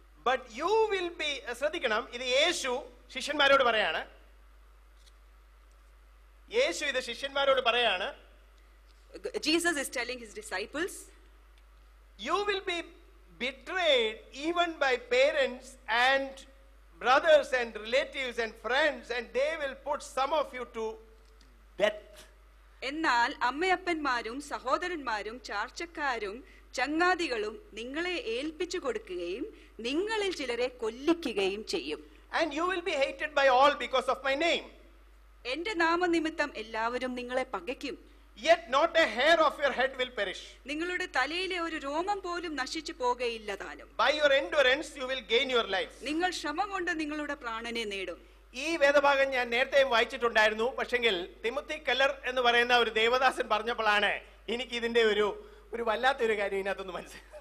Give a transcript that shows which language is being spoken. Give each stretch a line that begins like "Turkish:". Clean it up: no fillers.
English: But you will be,
Malayalam: ശ്രദ്ധിക്കണം, ഇത് യേശു ശിഷ്യന്മാരോട് പറയാണ്. യേശു ഇത് ശിഷ്യന്മാരോട് പറയാണ്.
English: Jesus is telling his disciples, you will be betrayed even by parents and brothers and relatives and friends, and they will put some of you to death.
Malayalam: എന്നാൽ അമ്മയപ്പന്മാരും സഹോദരന്മാരും ചാർച്ചക്കാരും ചങ്ങാതികളും നിങ്ങളെ ഏൽപ്പിച്ചു കൊടുക്കുകയും നിങ്ങളിൽ ചിലരെ കൊല്ലിക്കുകയും ചെയ്യും.
English: And you will be hated by all because of my name.
Malayalam: എൻ്റെ നാമനിമിത്തം എല്ലാവരും നിങ്ങളെ പകയ്ക്കും.
English: Yet not a hair of your head will perish.
Malayalam: നിങ്ങളുടെ തലയിലെ ഒരു രോമം പോലും നശിച്ചു പോകയില്ലതാനും.
English: By your endurance you will gain your life.
Malayalam: നിങ്ങൾ ശ്രമം കൊണ്ട് നിങ്ങളുടെ പ്രാണനെ നേടും. ഈ വേദഭാഗം ഞാൻ നേരത്തെയും വായിച്ചിട്ടുണ്ടായിരുന്നു. പക്ഷേങ്കിൽ തിമോത്തി കെല്ലർ എന്ന് പറയുന്ന ഒരു ദൈവദാസൻ പറഞ്ഞപ്പോഴാണ് എനിക്ക് ഇതിന്റെ ഒരു ഒരു വല്ലാത്തൊരു കാര്യം ഇതിനകത്തൊന്ന് മനസ്സിലായി.